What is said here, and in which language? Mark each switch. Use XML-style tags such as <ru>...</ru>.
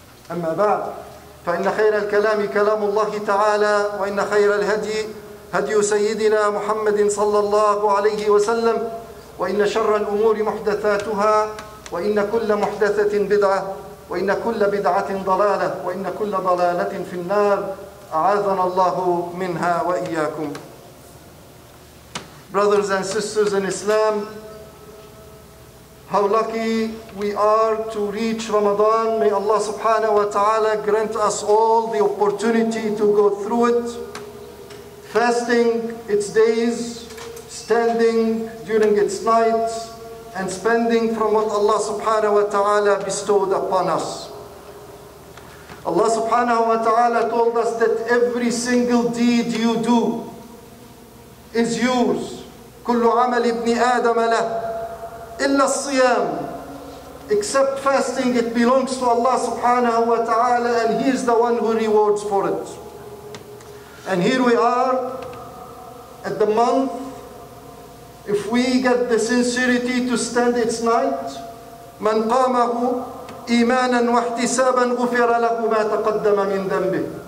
<ar>أما بعد، فإن خير الكلام كلام الله تعالى، وإن خير الهدي هدي سيدنا محمد صلى الله عليه وسلم، وإن شر الأمور محدثاتها، وإن كل محدثة بدعة، وإن كل بدعة ضلالة، وإن كل ضلالة في النار، أعاذنا الله منها وإياكم.</ar> <en>Brothers and sisters in Islam, how lucky we are to reach Ramadan. May Allah subhanahu wa ta'ala grant us all the opportunity to go through it, fasting its days, standing during its nights, and spending from what Allah subhanahu wa ta'ala bestowed upon us. Allah subhanahu wa ta'ala told us that every single deed you do is yours.</en> <ar>كل عمل ابن آدم له إلا الصيام.</ar> <en>Except fasting, it belongs to Allah subhanahu wa ta'ala, and He is the one who rewards for it. And here we are at the month. If we get the sincerity to stand its night,</en> <ar>من قامه إيمانا واحتسابا غفر له ما تقدم من ذنبه.</ar>